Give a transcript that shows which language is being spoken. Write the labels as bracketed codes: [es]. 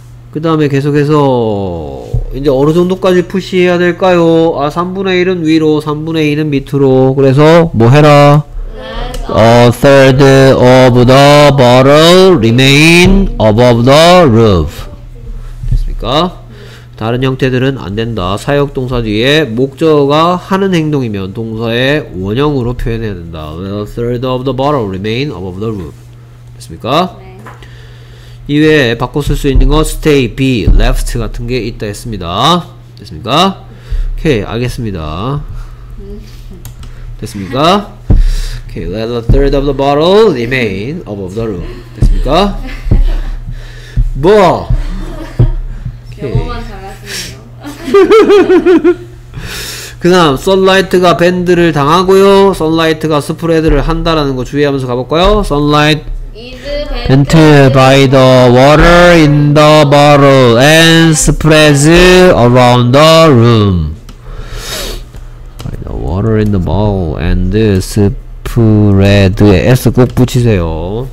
[ko] 그 다음에 계속해서 이제 어느 정도까지 push 해야 될까요? 아, 3분의 1은 위로, 3분의 2는 밑으로. 그래서 뭐 해라? [en] A third of the bottle remain above the roof. [ko] 됐습니까? 다른 형태들은 안 된다. 사역 동사 뒤에 목적어가 하는 행동이면 동사의 원형으로 표현해야 된다. [en] The third of the bottle remain above the roof. [ko] 됐습니까? 네. 이외에 바꿔 쓸 수 있는 거 stay, be, left 같은 게 있다 했습니다. 됐습니까? 오케이, 알겠습니다. 됐습니까? 오케이, [en] let the third of the bottle remain above the roof. [ko] 됐습니까? 뭐? 오케이. 그 다음 선라이트가 밴드를 당하고요, 선라이트가 스프레드를 한다라는 거 주의하면서 가볼까요? [en] Sunlight bent by the water in the bottle and spreads around the room. By the water in the bottle and spread에 [ko] S 꼭 붙이세요.